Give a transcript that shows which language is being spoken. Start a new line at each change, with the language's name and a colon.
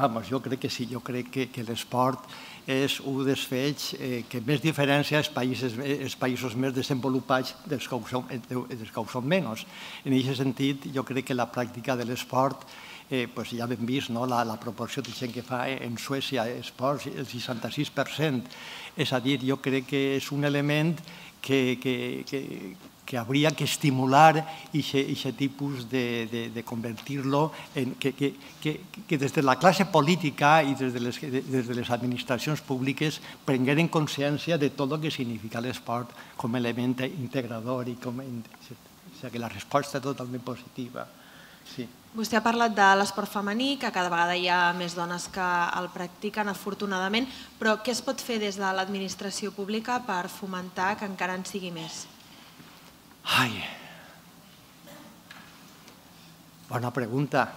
Catalan: Vamos, jo crec que sí, jo crec que l'esport és un dels fets que més diferència els països més desenvolupats dels que ho són menys. En aquest sentit, jo crec que la pràctica de l'esport, pues ja hem vist, no?, la proporció de gent que fa en Suècia esports, el 66%. És a dir, jo crec que és un element que
Spanish: habría que estimular ese tipo de convertirlo en que desde la clase política y desde las administraciones públicas prengueren conciencia de todo lo que significa el sport como elemento integrador y como, o sea, que la respuesta es totalmente positiva.
Catalan: Sí. Vostè ha parlat de l'esport femení, que cada vegada hi ha més dones que el practiquen, afortunadament, però què es pot fer des de l'administració pública per fomentar que encara en sigui més? Ay, bona pregunta.